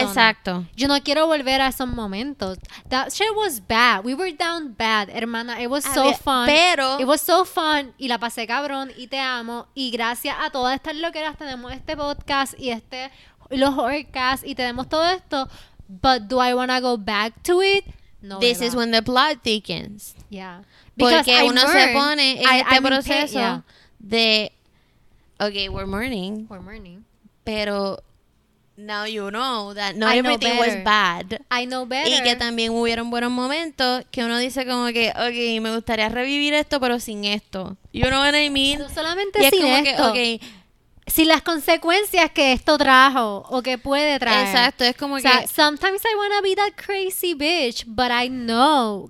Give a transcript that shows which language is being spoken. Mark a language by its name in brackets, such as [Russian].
[Spanish] Exacto. Yo no quiero volver a esos momentos. [English] That shit was bad. We were down bad, hermana. It was fun. [Spanish] Pero [English] it was so fun. [Spanish] Y la pasé cabrón. Y te amo. Y gracias a todas estas loqueras tenemos este podcast y los orcas y tenemos todo esto. [English] But do I want to go back to it? No. This is when the plot thickens. Yeah. Because [Spanish] porque uno se pone en este proceso. [English] We're mourning. Pero now you know that not everything was bad. I know better. [Spanish] Y que también hubieron buenos momentos que uno dice como que, okay, me gustaría revivir esto, pero sin esto. [English] You know what I mean? [Spanish] No solamente sin esto. Y es como que, okay, sin las consecuencias que esto trajo o que puede traer. Exacto, es como o que... [English] Sometimes I wanna be that crazy bitch, but I know...